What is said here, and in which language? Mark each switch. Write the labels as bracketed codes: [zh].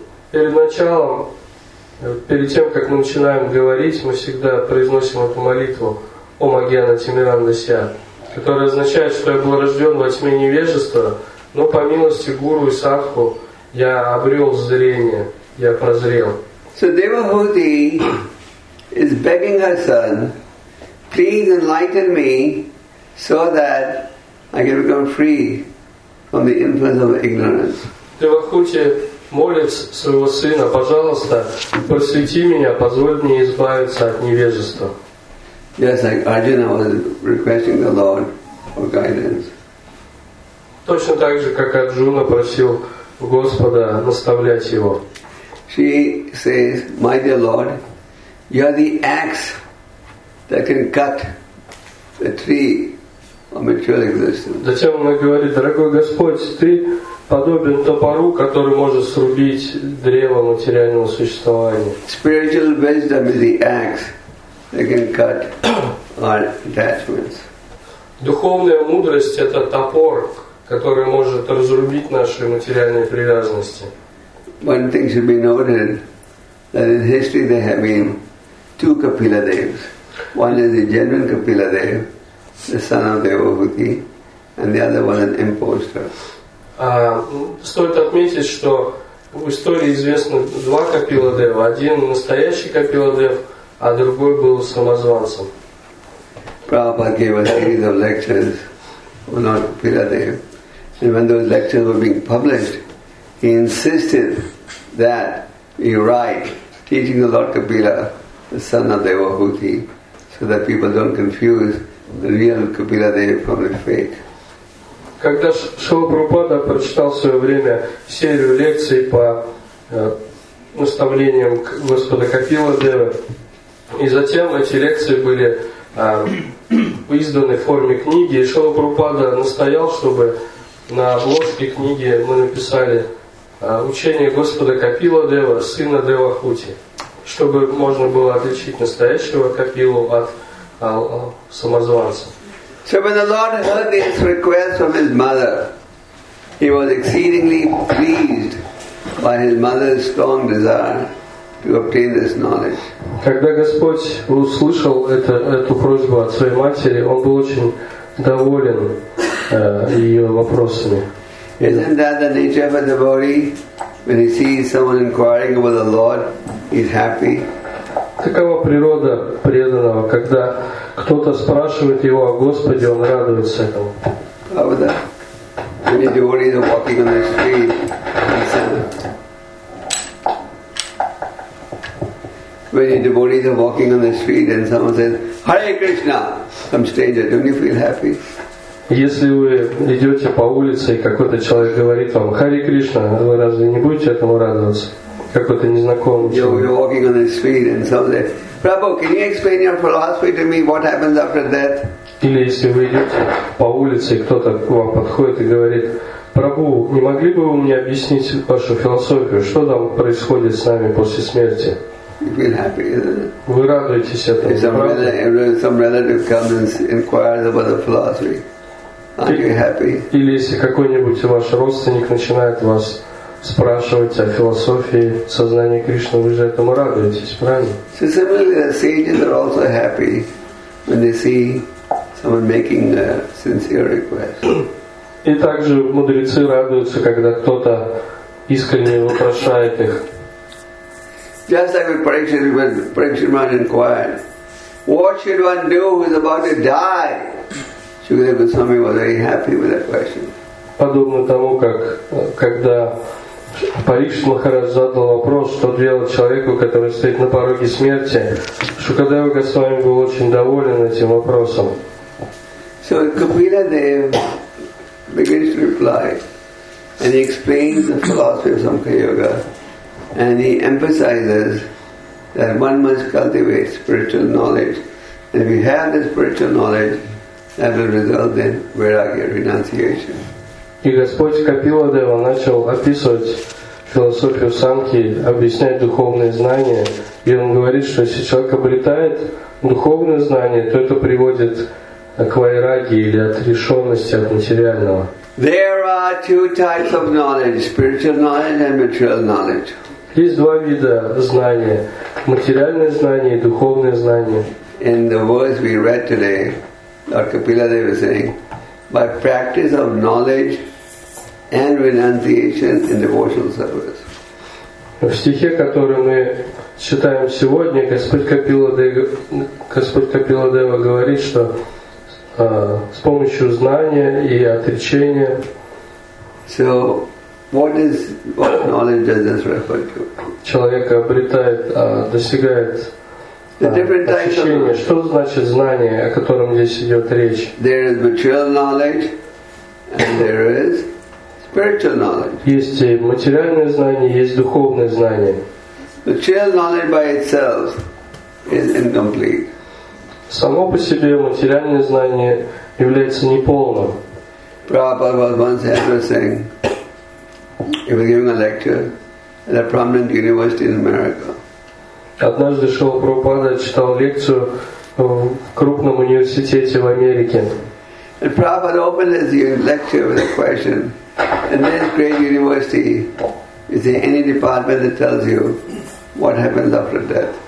[ru] Перед началом, перед тем, как мы начинаем говорить, мы всегда произносим эту молитву Om Gyan Timandasya, которая означает, что я был рожден во тьме невежества, но по милости Гуру и Садху я обрел зрение, я прозрел. [en] So Devahuti is begging her son, please enlighten me so that I can become free from the influence of ignorance. [ru] Девахути молит своего сына, пожалуйста, просвети меня, позволь мне избавиться от невежества. [en] Yes, like Arjuna was requesting the Lord for guidance. [ru] Точно так же, как Арджуна просил Господа наставлять его. [en] She says, my dear Lord, you are the axe that can cut the tree of material existence. [ru] Затем она говорит, дорогой Господь, ты подобен топору, который может срубить древо материального существования. [en] Spiritual wisdom is the axe that can cut our attachments. [ru] Духовная мудрость — это топор, который может разрубить наши материальные привязанности. [en] One thing should be noted, that in history there have been two Kapila Devs. One is a genuine Kapila Dev, the son of Devahuti, and the other was an impostor. [ru] Стоит отметить, что в истории известны два Kapila Dev. Один настоящий Kapila Dev, а другой был самозванцем. [en] Prabhupada gave a series of lectures on Kapila Dev. And when those lectures were being published, he insisted that he write teaching the Lord Kapila, the son of Devahuti, so that people don't confuse the real Kapila Dev from the fake. [ru] Когда Шрила Прабхупада прочитал в свое время серию лекций по наставлениям Господа Капила Дева, и затем эти лекции были в изданной форме книги. И Шрила Прабхупада настоял, чтобы на обложке книги мы написали учение Господа Капила Дева, сына Девахути, чтобы можно было отличить настоящего Капилу от самозванца. [en] So when the Lord heard this request from his mother, he was exceedingly pleased by his mother's strong desire to obtain this knowledge. [ru] Когда Господь услышал эту просьбу от своей матери, он был очень доволен ее вопросами. [en] Isn't that the nature of a devotee? When he sees someone inquiring about the Lord, he's happy. [ru] Такова природа преданного, когда кто-то спрашивает его о Господе, он радуется этому. [en] Many devotees are walking on the street. Hare Krishna, some stranger, don't you feel happy? [ru] Если вы идете по улице и какой-то человек говорит вам Харе Кришна, вы разве не будете этому радоваться? Какой-то незнакомый человек. [en] You're walking on the street and someone says, Prabhu, can you explain your philosophy to me? What happens after death? [ru] Или если вы идете по улице и кто-то к вам подходит и говорит, Прабху, не могли бы вы мне объяснить вашу философию, что там происходит с нами после смерти? [en] You feel happy, isn't it? [ru] Вы радуетесь этому. [en] Some relative comes and inquires about the philosophy. Aren't you happy? [ru] Или если какой-нибудь ваш родственник начинает вас спрашивать о философии сознания Кришны, вы же этому радуетесь, правильно? [en] So similarly, the sages are also happy when they see someone making a sincere request. [ru] И также мудрецы радуются, когда кто-то искренне вопрошает их. [en] Just like when Parikshit Maharaj inquired, what should one do who is about to die? Shukadeva Goswami was very happy with that question. [ru] Подобно тому, как когда Парикшит Махарадж задал вопрос, что делать человеку, который стоит на пороге смерти, Шукадева Госвами был очень доволен этим вопросом. [en] So Kapila Dev begins to reply, and he explains the philosophy of Samkhya Yoga. And he emphasizes that one must cultivate spiritual knowledge. And if you have this spiritual knowledge, that will result in Vairagya renunciation. [ru] И Господь Капила Дева начал описывать философию Самхи, объяснять духовные знания. И он говорит, что если человек обретает духовное знание, то это приводит к Вайраге или отрешенности от материального. [en] There are two types of knowledge, spiritual knowledge and material knowledge. [ru] Есть два вида знания: материальное знание и духовное знание. [en] In the verse we read today, Lord Kapila Dev is saying, by practice of knowledge and renunciation in devotional service. [ru] В стихе, который мы читаем сегодня, Господь Капила Дева говорит, что с помощью знания и отречения. [en] So, what knowledge does this refer to? [ru] Человек обретает, достигает ощущения. Что значит знание, о котором здесь идет речь? [en] There is material knowledge and there is spiritual knowledge. [ru] Есть и материальное знание, есть духовное знание. [en] Material knowledge by itself is incomplete. [ru] Само по себе материальное знание является неполным. [en] Prabhupada was once addressing, he was giving a lecture at a prominent university in America. [ru] Однажды Шрила Прабхупада читал лекцию в крупном университете в Америке. [en] And Prabhupada opened his lecture with a question, in this great university, is there any department that tells you what happens after death?